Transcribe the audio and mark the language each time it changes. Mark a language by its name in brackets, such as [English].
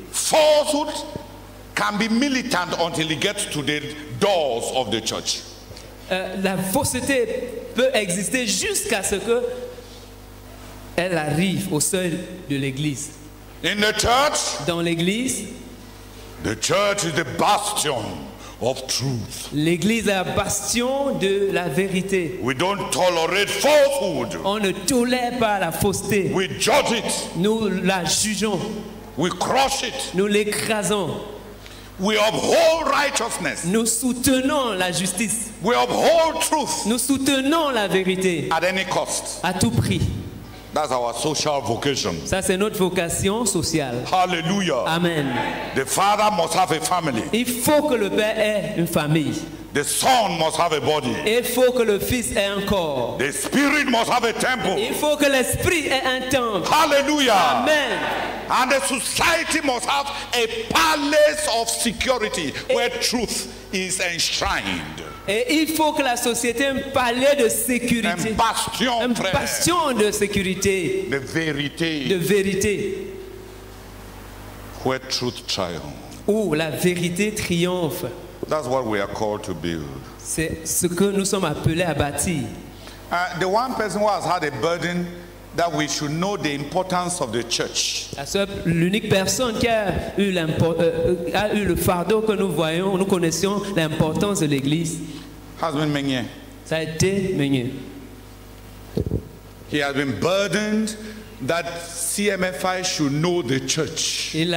[English] Falsehood can be militant until it gets to the doors of the church. [French] La fausseté peut exister jusqu'à ce que elle arrive au seuil de l'église. [English] In the church, [French] dans l'église, [English] the church is the bastion of truth. [French] L'église est la bastion de la vérité. [English] We don't tolerate falsehood. [French] On ne tolère pas la fausseté. [English] We judge it. [French] Nous la jugeons. [English] We crush it. [French] Nous l'écrasons. [English] We uphold righteousness. [French] Nous soutenons la justice. [English] We uphold truth. [French] Nous soutenons la vérité. [English] At any cost. [French] À tout prix. [English] That's our social vocation. [French] Ça, c'est notre vocation sociale. Hallelujah. Amen. [English] The father must have a family. [French] Il faut que le père ait une famille. [English] The son must have a body. [French] Il faut que le fils ait un corps. [English] The spirit must have a temple. [French] Il faut que l'esprit ait un temple. Hallelujah. Amen. [English] And the society must have a palace of security where truth is enshrined. [French] Et il faut que la société ait un palais de sécurité. Un bastion, un frère. Bastion de sécurité. De vérité. De vérité. [English] Where truth triumphs. [French] Où la vérité triomphe. [English] That's what we are called to build. [French] C'est ce que nous sommes appelés à bâtir. [English] The one person who has had a burden that we should know the importance of the church. [French] L'unique personne qui a eu le fardeau que nous voyons, nous connaissions l'importance de l'église. [English] Has been Meunier. [French] Ça a été Meunier. [English] He has been burdened that CMFI should know the church.